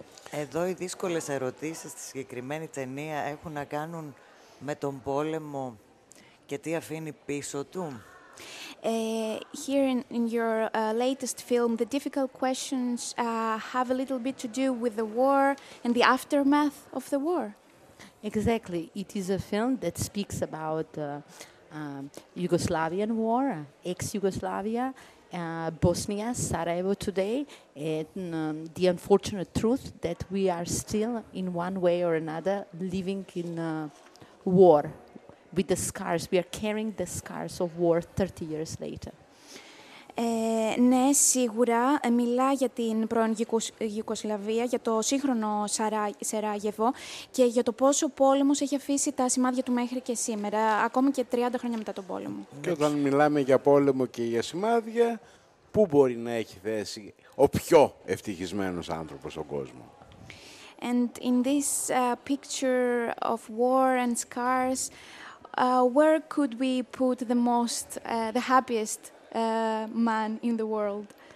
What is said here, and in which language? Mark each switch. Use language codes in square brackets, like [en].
[el] Εδώ οι δύσκολες ερωτήσεις στη συγκεκριμένη ταινία έχουν να κάνουν με τον πόλεμο και τι αφήνει πίσω του. [en] Here in your latest film, the difficult questions have a little bit to do with the war and the aftermath of the war. Exactly. It is a film that speaks about the Yugoslavian war, ex-Yugoslavia, Bosnia, Sarajevo today, and the unfortunate truth that we are still, in one way or another, living in war with the scars. We are carrying the scars of war 30 years later. [el] Ναι, σίγουρα. Μιλά για την πρώην Γιουγκοσλαβία, για το σύγχρονο Σαράγεβο και για το πόσο ο πόλεμος έχει αφήσει τα σημάδια του μέχρι και σήμερα, ακόμη και 30 χρόνια μετά τον πόλεμο. Και όταν μιλάμε για πόλεμο και για σημάδια, πού μπορεί να έχει θέση ο πιο ευτυχισμένος άνθρωπος στον κόσμο. [en] And in this picture of war and scars, where could we put the most, the happiest man in the world?